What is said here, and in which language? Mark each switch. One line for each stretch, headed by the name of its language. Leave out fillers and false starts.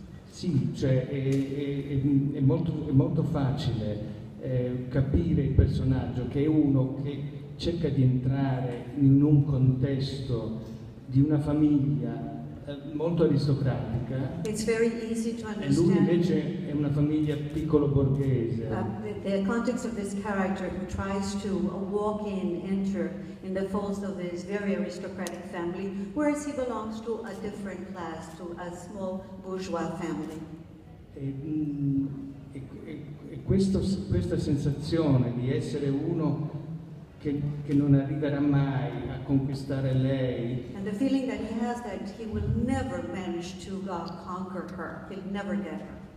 Italian: Sì, cioè è molto facile capire il personaggio, che è uno che cerca di entrare in un contesto di una famiglia molto aristocratica.
English: It's very easy to understand.
Italian: E lui invece è una famiglia piccolo borghese.
English: The context of this character who tries to walk in, enter in the folds of this very aristocratic family, whereas he belongs to a different class, to a small bourgeois family.
Italian: E questa sensazione di essere uno che non arriverà mai a conquistare lei.
English: And the feeling that he has that he will never manage to conquer her, he'll never get her.